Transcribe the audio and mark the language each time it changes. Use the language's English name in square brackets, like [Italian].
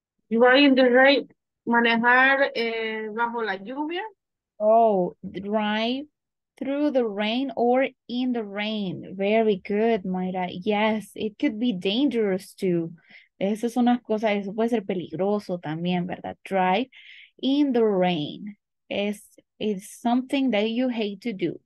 [English] Driving the rain, [Spanish] manejar bajo la lluvia. [English] Oh, drive through the rain or in the rain. Very good, Mayra. Yes, it could be dangerous too. [Spanish] Esas son las cosas, eso puede ser peligroso también, ¿verdad? [English] Drive in the rain is something that you hate to do.